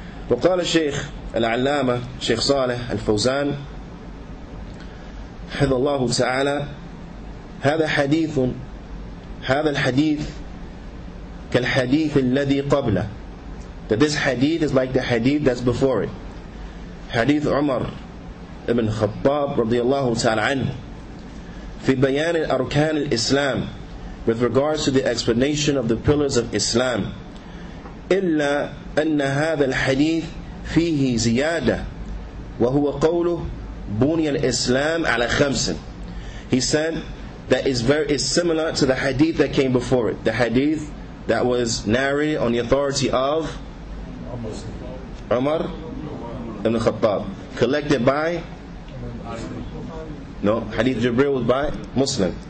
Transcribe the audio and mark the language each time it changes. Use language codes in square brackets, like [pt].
[ar] وقال الشيخ العلامة شيخ صالح الفوزان حفظ الله تعالى: هذا الحديث كالحديث الذي قبله. [en] That this hadith is like the hadith that's before it. [ar] حديث عمر بن خطاب رضي الله تعالى عنه في بيان أركان الإسلام, [en] with regards to the explanation of the pillars of Islam. [ar] إلا أن هذا الحديث فيه زيادة وهو قوله بني الإسلام على خمس. [en] He said that is very is similar to the hadith that came before it, the hadith that was narrated on the authority of Umar ibn Khattab, collected by Hadith Jibril was by Muslim.